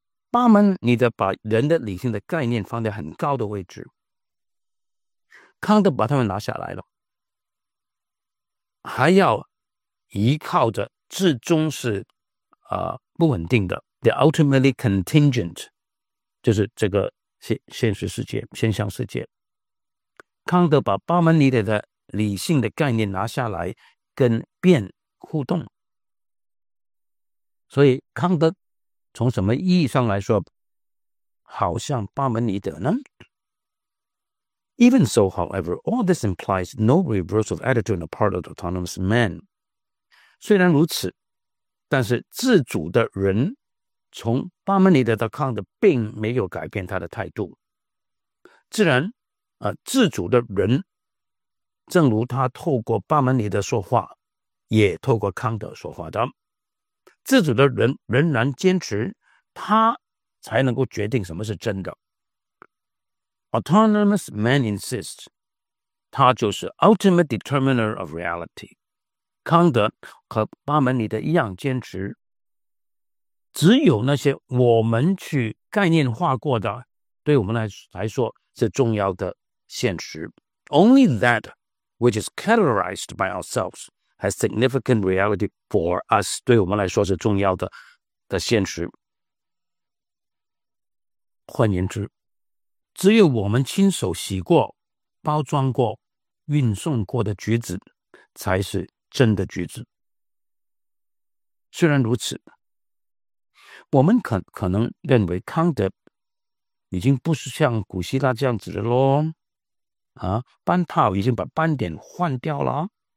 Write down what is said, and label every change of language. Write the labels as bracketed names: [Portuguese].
[Chinese] 巴门尼德把人的理性的概念放在很高的位置，康德把他们拿下来了，还要依靠着至终是不稳定的 [English] The ultimately contingent， [Chinese] 就是这个现实世界、现象世界。康德把巴门尼德的理性的概念拿下来跟变互动，所以康德从什么意义上来说好像巴门尼德呢？ [English] Even so, however, all this implies no reverse of attitude on the part of the autonomous man. [Chinese] 虽然如此，但是自主的人从巴门尼德到康德并没有改变他的态度。自然自主的人正如他透过巴门尼德说话，也透过康德说话的，自主的人仍然坚持他才能够决定什么是真的。 [English] Autonomous man insists [Chinese] 他就是 [English] ultimate determiner of reality。 [Chinese] 康德和巴门尼德一样坚持，只有那些我们去概念化过的对我们来说是重要的现实。 [English] Only that which is categorized by ourselves has significant reality for us， [Chinese] 对我们来说是重要的现实。换言之，只有我们亲手洗过、包装过、运送过的橘子才是真的橘子。虽然如此，我们可能认为康德已经不是像古希腊这样子的咯，班套已经把斑点换掉了。